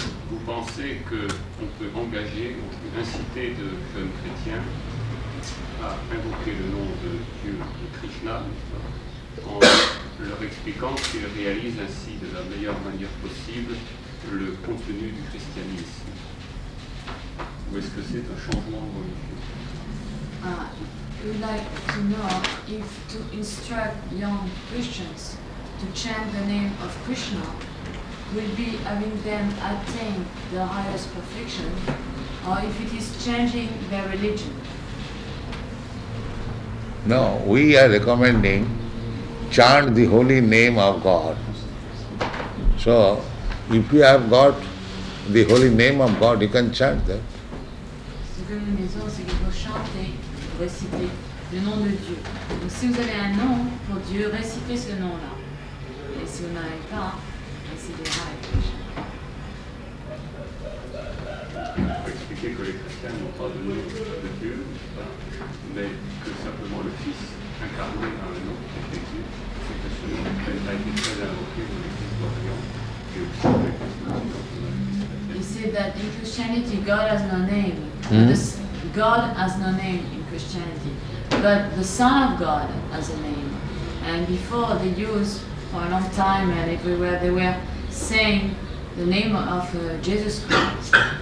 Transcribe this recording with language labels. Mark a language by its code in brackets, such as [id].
[fr] Vous pensez qu'on peut engager ou inciter de jeunes chrétiens à invoquer le nom de Dieu, de Krishna, en leur expliquant qu'ils réalisent ainsi de la meilleure manière possible le contenu du christianisme. Ou est-ce que c'est un changement religieux? [en] We'd like to know if to instruct young Christians to chant the name of Krishna will be having them attain the highest perfection, or if it is changing their religion. No, we are recommending chant the holy name of God. So, if you have got the holy name of God, you can chant that. [fr] Ce que nous disons, c'est qu'il faut chanter, réciter le nom de Dieu. Donc si vous avez un nom pour Dieu, récitez ce nom-là. Et si vous n'avez pas, récitez pas. Expliquer que les chrétiens n'ont pas de nom de Dieu, mais que simplement le Fils incarné a un nom qui est Dieu, c'est que ce nom a été très invoqué dans les historiens et aussi dans les chrétiens. Il dit [en] that in Christianity God has no name. God has no name in Christianity, but the Son of God has a name. And before they used for a long time and everywhere they were saying the name of Jesus Christ.